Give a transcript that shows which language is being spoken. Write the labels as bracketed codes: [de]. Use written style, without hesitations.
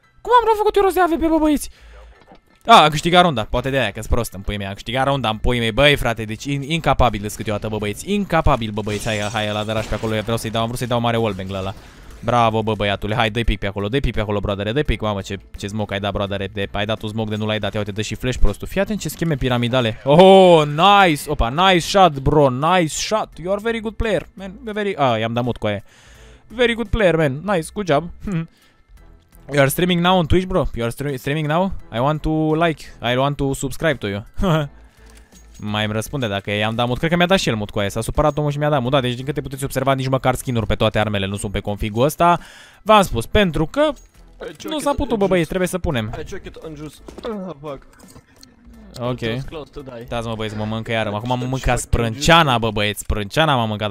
[ro] Cum am făcut eu rost de AVP, bă, băieți? A, am câștigat runda, poate de aia că-s prost în puii mei, am câștigat runda în puii mei, băi frate, deci incapabil de câteodată, bă băieți, incapabil, bă băieți, hai ăla dăraș pe acolo, eu vreau să-i dau, am vrut să-i dau mare wallbang la ăla. Bravo, bă băiatule, hai, dă-i pic pe acolo, dă-i pic pe acolo, brodere, dă-i pic, mamă, ce smoke ai dat, brodere, ai dat un smoke de nu l-ai dat, ia uite, dă și flash prostul, fii atent ce scheme piramidale. [en] Oh, nice, opa, nice shot, bro, nice shot, you are very good player, man, [ro] i-am dat mut cu aia. [en] Very good player, man, nice, good job. You are streaming now on Twitch, bro? You are streaming now? I want to like, I want to subscribe to you. [ro] Mai îmi răspunde dacă i-am dat mut. Cred că mi-a dat și el mut cu aia. S-a supărat omul și mi-a dat mut. Da, deci din câte puteți observa, nici măcar skin-uri pe toate armele nu sunt pe configul ăsta. V-am spus, pentru că nu s-a putut, bă, băieți, trebuie să punem. Ok. Uitați-mă, băieți, mă mâncă iară. Acum m-am mâncat sprânceana, bă, băieți. Sprânceana m-am mâncat.